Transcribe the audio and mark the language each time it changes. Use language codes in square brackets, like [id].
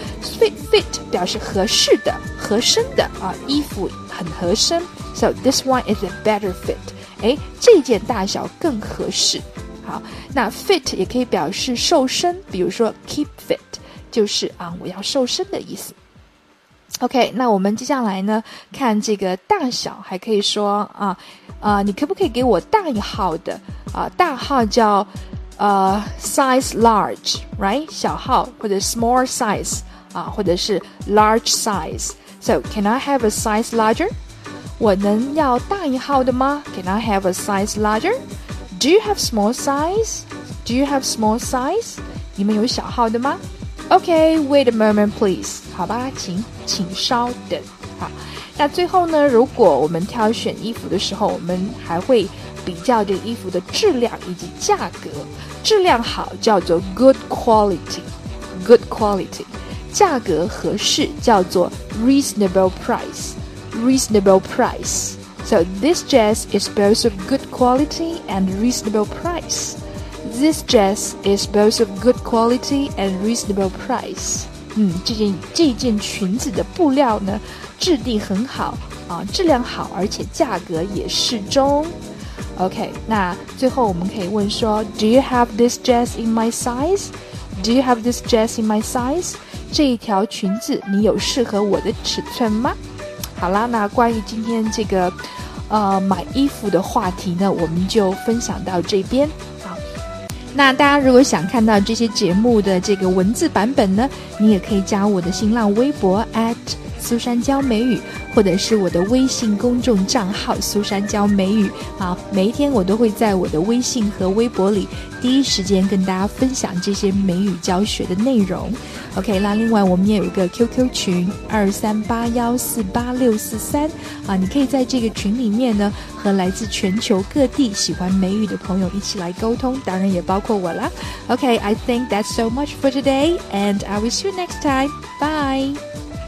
[zh] Fit, fit 表示合适的、合身的啊，衣服很合身。 [en] So this one is a better fit. [zh] 哎，这件大小更合适。好，那 fit 也可以表示瘦身，比如说 keep fit 就是啊，我要瘦身的意思。 OK， 那我们接下来呢，看这个大小，还可以说你可不可以给我大一号的啊？大号叫。 [en] Size large, right? [zh] 小号或者 small size 啊，或者是 large size. [en] So, can I have a size larger? [zh] 我能要大一号的吗？ [en] Can I have a size larger? Do you have small size? Do you have small size? [zh] 你们有小号的吗？ [en] Okay, wait a moment, please. [zh] 好吧，请稍等。好，那最后呢，如果我们挑选衣服的时候，我们还会比较这个衣服的质量以及价格，质量好叫做 [en] good quality， good quality， [zh] 价格合适叫做 [en] reasonable price， reasonable price。 So this dress is both of good quality and reasonable price. This dress is both of good quality and reasonable price. [zh] 这件裙子的布料呢质地很好啊，质量好，而且价格也适中。 [en] OK， [zh] 那最后我们可以问说 [en] Do you have this dress in my size? Do you have this dress in my size? [zh] 这一条裙子你有适合我的尺寸吗？好啦，那关于今天这个买衣服的话题呢，我们就分享到这边。好，那大家如果想看到这些节目的这个文字版本呢，你也可以加我的新浪微博 at 苏珊娇美语，或者是我的微信公众账号苏珊娇美语啊，每一天我都会在我的微信和微博里第一时间跟大家分享这些美语教学的内容。 OK， 那另外我们也有一个 QQ 群23814864 啊，你可以在这个群里面呢和来自全球各地喜欢美语的朋友一起来沟通，当然也包括我啦。 [en] OK， I think that's so much for today and I will see you next time. Bye.